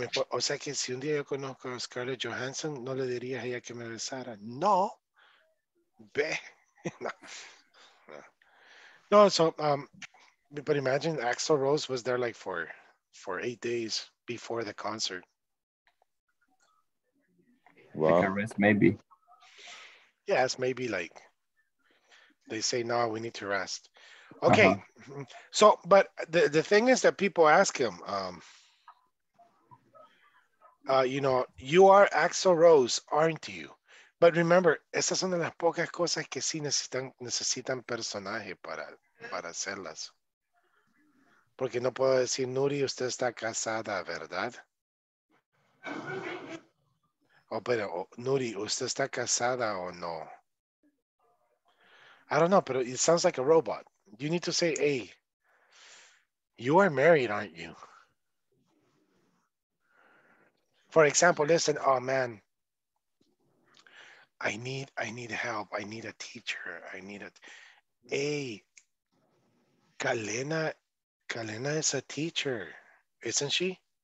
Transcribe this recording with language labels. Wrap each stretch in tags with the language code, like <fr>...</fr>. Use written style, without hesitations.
<es>O sea que si un día yo conozco a Scarlett Johansson, no le diría a ella que me besara. No. Ve. No.</es> <en>No, so, but imagine Axl Rose was there like for 8 days before the concert. Well, wow. Maybe. Yes, maybe like they say, no, we need to rest. Okay. Uh-huh. So, but the thing is that people ask him, you know, you are Axl Rose, aren't you? But remember,</en> <es>esas son de las pocas cosas que sí necesitan personaje para hacerlas. Porque no puedo decir, Nuri, usted está casada, ¿verdad? Oh, pero Nuri, usted está casada o no?</es> <en>I don't know,</en> <es>pero</es> <en>it sounds like a robot. You need to say, hey, you are married, aren't you? For example, listen, oh man, I need help. I need a teacher. I need a, hey, Kalena is a teacher, isn't she?</en>